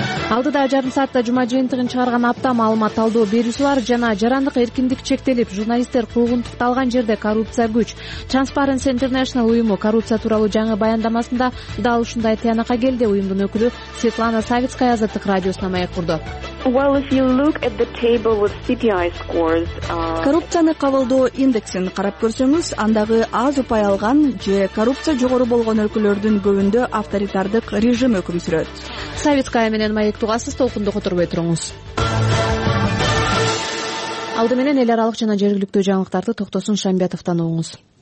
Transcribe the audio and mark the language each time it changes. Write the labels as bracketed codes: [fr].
[ky] Алдыда жарым саатта жума жыйынтыгын чыгарган апта маалымат талдоо берүүсү бар жана жарандык эркиндик чектелип, журналисттер куугунтукталган жерде коррупция күч. Transparency International уюму коррупция тууралуу жаңы баяндамасында дал ушундай тыянакка келди. Уюмдун өкүлү Светлана Савицкая Азаттык радиосуна маек курду. [en] Well, if you look at the table with CPI scores, [ky] коррупцияны кабылдоо индексин карап көрсөңүз, андагы аз упай алган же коррупция жогору болгон өлкөлөрдүн көбүндө авторитардык режим өкүм сүрөт. Савицкая менен маек тугасыз, толкунду которбой туруңуз. Алды менен эл аралык жана жергиликтүү жаңылыктарды токтосун Шамбетовтон угуңуз.